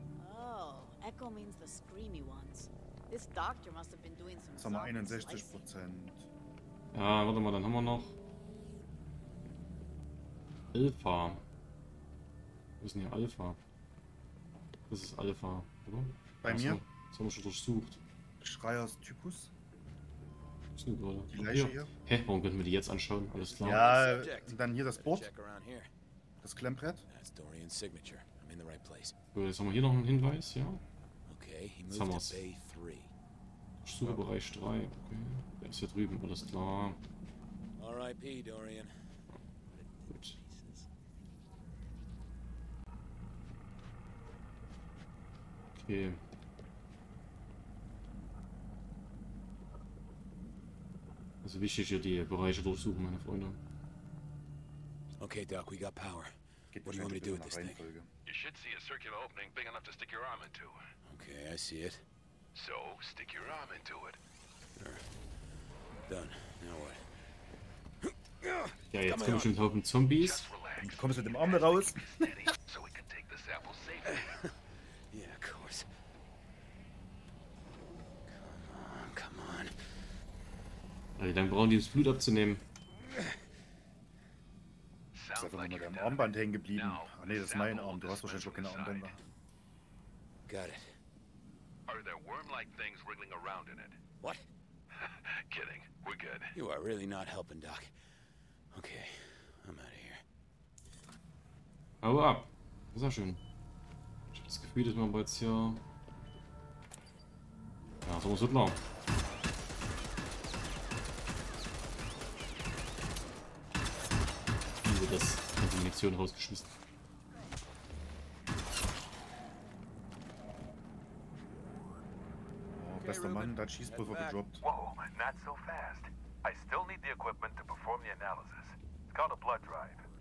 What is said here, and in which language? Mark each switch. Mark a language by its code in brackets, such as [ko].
[en] Oh, Echo means the screamy ones. This doctor must have been doing some. [de] Jetzt haben wir 61%. Ja, warte mal, dann haben wir noch. Alpha. Wo ist denn hier Alpha? Das ist Alpha, oder? Bei mir? Das haben wir schon durchsucht. Schreiers Typus? Das ist gerade. Die Leiche hier? Hä, warum könnten wir die jetzt anschauen? Alles klar. Ja, dann hier das Boot. Das Klemmbrett. Das ist Dorian's Signature. [en] I'm in the right place. [de] Gut, jetzt haben wir hier noch einen Hinweis, ja? [en] Okay, he moved to Bay 3. [de] Durchsucherbereich 3. Okay. Der ist hier drüben, alles klar. [en] RIP, Dorian. [de] Gut. Okay. Also wichtig hier die Bereiche durchsuchen, meine Freunde. [en] Okay, Doc, we got power. What do you want me to do with this thing? You should see a circular opening big enough to stick your arm into. Okay, I see it. So, stick your arm into it. Done. Now what? [de] Ja, jetzt kommen schon ein Haufen Zombies. Du kommst mit dem Arm raus. [en] So we can take the sample safely. Yeah, of course. Come on. [de] Also, dann brauchen die das Blut abzunehmen. Ist einfach nur mit deinem Armband hängen geblieben. Ah, ne, das ist mein Arm. Du hast wahrscheinlich schon keine Armbänder. [en] Got it. Are there worm-like things wriggling around in it? What? Kidding. We're good. You are really not helping, Doc. Okay, I'm out of here. [de] Hau ab. Das ist auch schön. Ich hab das Gefühl, dass man jetzt hier. Ja, so muss es laufen. Wie wird das mit der Munition rausgeschmissen? Oh, das der Mann dein Schießpulver gedroppt. [en] Whoa, not so fast. I still need the equipment to perform the analysis. It's called a blood drive.